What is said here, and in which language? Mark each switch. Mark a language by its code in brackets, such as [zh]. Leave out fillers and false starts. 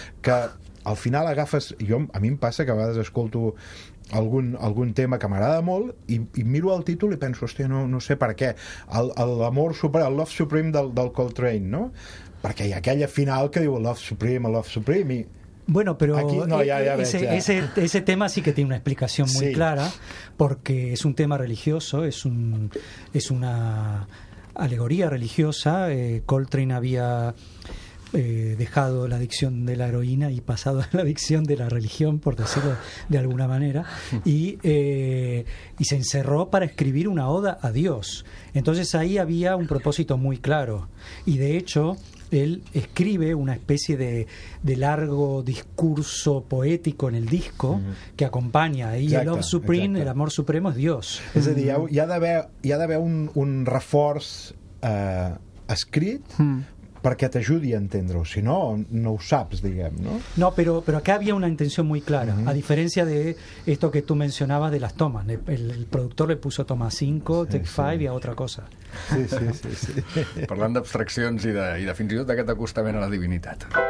[ca] Que al final agafes... A mi em passa que a vegades escolto algun tema que m'agrada molt i miro el títol i penso, hòstia, no sé per què, l'amor supre, el Love Supreme del Coltrane, no? Perquè hi ha aquella final que diu Love Supreme, Love Supreme, i... [es] Bueno, pero ese tema sí que tiene una explicación muy clara, porque es un tema religioso, es una alegoría religiosa. Coltrane había dejado la adicción de la heroína y pasado a la adicción de la religión, por decirlo de alguna manera, y se encerró para escribir una oda a Dios. Entonces ahí había un propósito muy claro, y de hecho él escribe una especie de largo discurso poético en el disco que acompaña, y el Love Supreme, el amor supremo, es Dios. Es decir, ya debe haber [ca] un reforç escrit perquè t'ajudi a entendre-ho, si no, no ho saps, diguem, no? [es] No, pero acá había una intención muy clara, a diferencia de esto que tú mencionabas de las tomas. El productor le puso toma 5, sí, take 5 y a otra cosa. Sí. [ca] Parlant d'abstraccions i de fins i tot d'aquest acostament a la divinitat.